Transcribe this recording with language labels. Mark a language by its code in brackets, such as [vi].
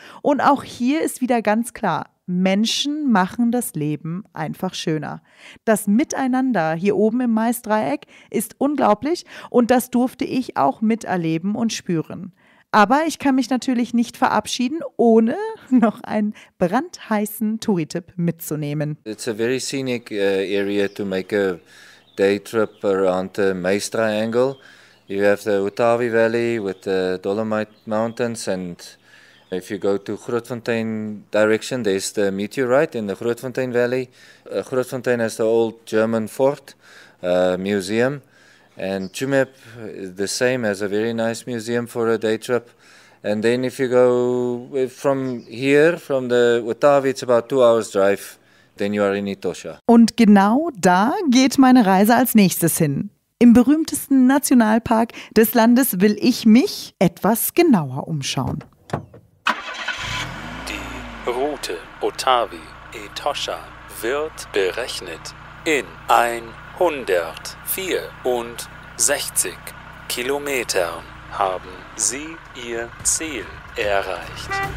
[de] Und auch hier ist wieder ganz klar, Menschen machen das Leben einfach schöner. Das Miteinander hier oben im Maisdreieck ist unglaublich und das durfte ich auch miterleben und spüren. Aber ich kann mich natürlich nicht verabschieden, ohne noch einen brandheißen Touri-Tipp mitzunehmen. [en] It's a very scenic area to make a day trip around the Maize Triangle. You have the Otavi Valley with the Dolomite Mountains, and if you go to Grootfontein direction, there's the meteorite in the Grootfontein Valley. Grootfontein has the old German fort museum, and Tjumep the same, has a very nice museum for a day trip. And then if you go from here, from the Otavi, it's about 2 hours drive. Then you are in Itosha. [de] Und genau da geht meine Reise als nächstes hin. Im berühmtesten Nationalpark des Landes will ich mich etwas genauer umschauen. Die Route Otavi Itosha wird berechnet in 164 Kilometern haben Sie Ihr Ziel erreicht.